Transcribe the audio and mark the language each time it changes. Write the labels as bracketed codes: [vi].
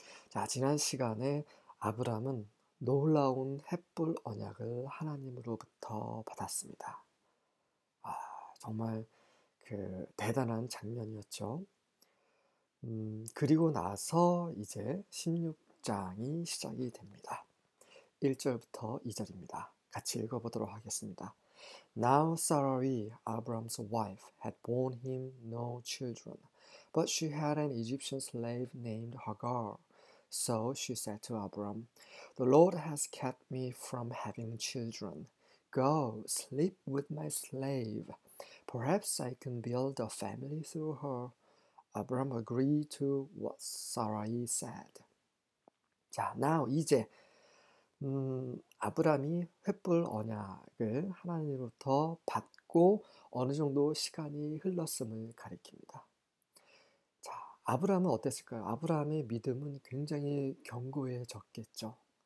[ko] 자, 지난 시간에 아브람은 놀라운 횃불 언약을 하나님으로부터 받았습니다. 정말 대단한 장면이었죠. 그리고 나서 이제 16장이 시작이 됩니다. 1절부터 2절입니다. 같이 읽어보도록 하겠습니다. [en] Now Sarai, Abram's wife, had borne him no children, but she had an Egyptian slave named Hagar. So she said to Abram, The Lord has kept me from having children. Go, sleep with my slave. Perhaps I can build a family through her. Abram agreed to what Sarai said. [ko] 자, [en] now [ko] 이제 아브람이 횃불 언약을 하나님으로부터 받고 어느 정도 시간이 흘렀음을 가리킵니다. 자, 아브람은 어땠을까요? 아브람의 믿음은 굉장히 견고해졌겠죠.